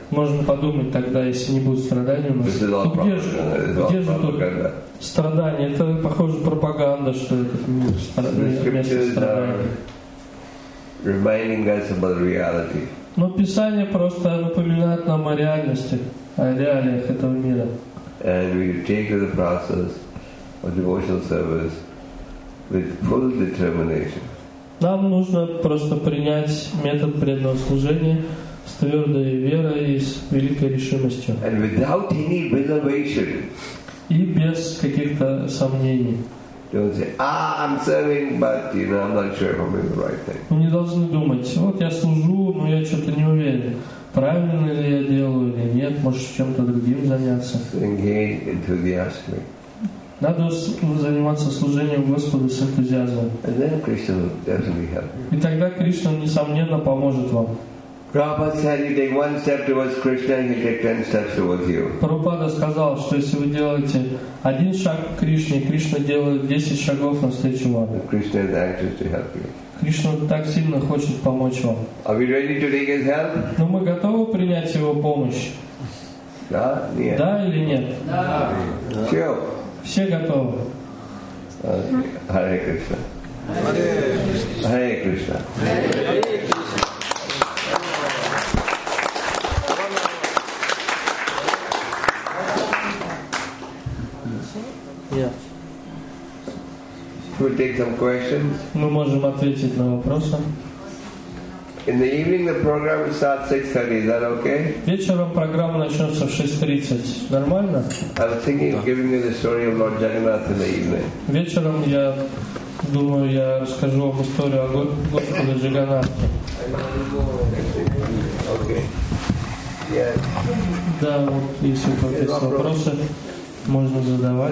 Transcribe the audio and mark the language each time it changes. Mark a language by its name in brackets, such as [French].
[Russian] Можно подумать тогда, если не будет страданий у нас, то где же тут страдания? Это, похоже, пропаганда, что это место страданий. [English] Reminding us about reality. [Russian] Но Писание просто напоминает нам о реальности, о реалиях этого мира. [English] And we take the process of devotional service with full determination. [Russian] Нам нужно просто принять метод преданного служения с твердой верой и с великой решимостью. [English] And without any reservation. [Russian] И без каких-то сомнений. [English] Don't say, I'm serving, but you know, I'm not sure if I'm doing the right thing. [Russian] Мы не должны думать, вот я служу, но я что-то не уверен. Правильно ли я делаю или нет, может чем-то другим заняться. [English] Engage enthusiastically. [Russian] Надо заниматься служением Господу с энтузиазмом. [English] And then Krishna will definitely help you. [Russian] И тогда Кришна несомненно поможет вам. [English] Prabhupada said, you take one step towards Krishna, and you take 10 steps towards you. [Russian] Prabhupada сказал, что если вы делаете один шаг к Кришне, Кришна делает 10 шагов навстречу вам. [English] Krishna is anxious to help you. [Russian] Кришна так сильно хочет помочь вам. [English] Are we ready to take his help? [Russian] Но мы готовы принять его помощь? Да, нет. Да или нет? Да. Все. Все готовы. [Sanskrit] Hare Krishna. Hare Krishna. [English] We'll take some questions. [Russian] Мы можем ответить на вопросы. [English] In the evening, the program will start 6:30. Is that okay? [Russian] Вечером программа начнется в 6:30. Нормально? [English] I was thinking of giving you the story of Lord Jagannath in the evening. [Russian] Вечером я думаю, я расскажу вам историю о Господе Джаганнате. [English] Okay. Yeah. [Russian] Да, вот если у кого есть вопросы, можно задавать.